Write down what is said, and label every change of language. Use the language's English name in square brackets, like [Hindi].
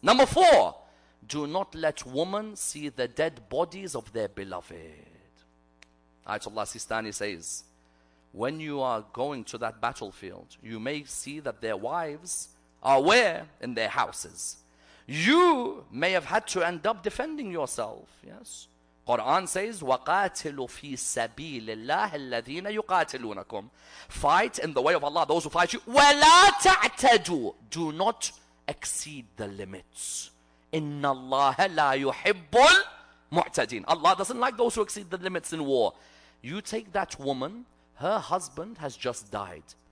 [English] Number four, do not let women see the dead bodies of their beloved. Ayatollah Sistani says, when you are going to that battlefield, you may see that their wives are where? In their houses. You may have had to end up defending yourself. Yes. Quran says, [Arabic] وَقَاتِلُوا فِي سَبِيلِ اللَّهِ الَّذِينَ يُقَاتِلُونَكُمْ. [English] Fight in the way of Allah, those who fight you. [Arabic] وَلَا تَعْتَدُوا. [English] Do not exceed the limits. [Arabic] إِنَّ اللَّهَ لَا يُحِبُّ الْمُعْتَدِينَ. [English] Allah doesn't like those who exceed the limits in war. You take that woman, her husband has just died.